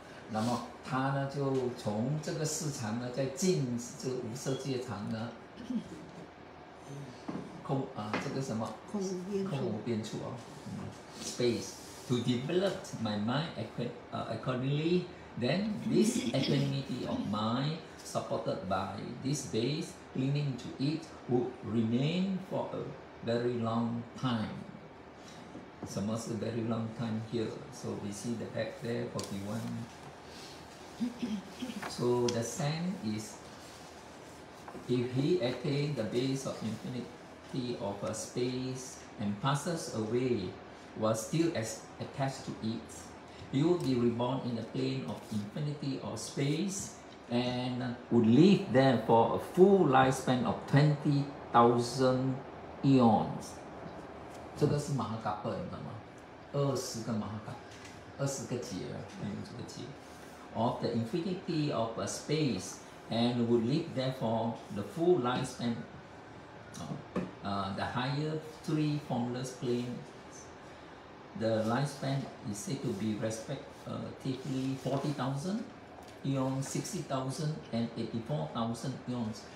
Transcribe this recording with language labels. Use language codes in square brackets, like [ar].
[zh] 那么他呢就从这个四禅呢再进这个无色界禅呢空啊这个什么空无边处啊、space. [en] To develop my mind accordingly, then this equanimity of mind, supported by this base, clinging to it, would remain for a very long time. [zh] 什么是 [en] very long time here? So we see the back there, 41. So the sense is, if he attains the base of infinity of a space and passes away,while still attached to it, he would be reborn in a plane of infinity or space and would live there for a full lifespan of 20,000 eons. [zh] 这个是马哈嘎二，你知道吗？二十个马哈嘎，二十个劫，这个劫。 [en] Of the infinity of a space and would live there for the full lifespan, the higher three formless planesThe lifespan is said to be respectively 40,000 eons, 60,000, and 84,000 eons.